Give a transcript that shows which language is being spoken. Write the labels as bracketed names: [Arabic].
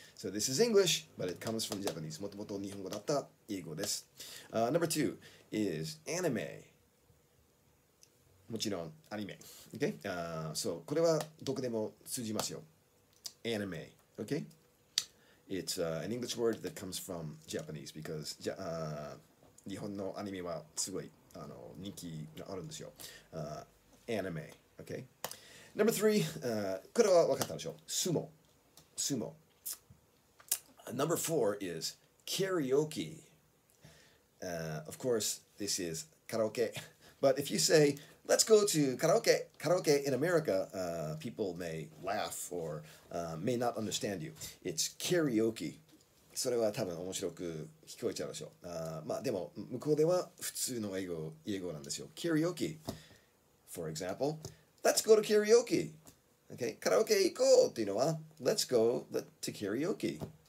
[English] So this is English, but it comes from Japanese. [Japanese] もともと日本語だった英語です。 [English] Number two is anime. [Japanese] もちろんアニメ。Okay? So これはどこでも通じますよ。 [English] Anime, okay? It's、an English word that comes from Japanese because、 [Japanese] 日本のアニメはすごい人気があるんですよ。 [English] Anime, okay? Number three,、 [Japanese] これは分かったでしょう。Sumo. [English] Number four is karaoke.、of course, this is karaoke. But if you say, let's go to karaoke in America,、people may laugh or... may not understand you. It's karaoke. [Japanese] それは多分面白く聞こえちゃうでしょう。でも向こうでは普通の英語なんですよ。 [English] Karaoke. For example, let's go to karaoke. Okay, karaoke [Japanese] 行こうっていうのは [English] let's go to karaoke.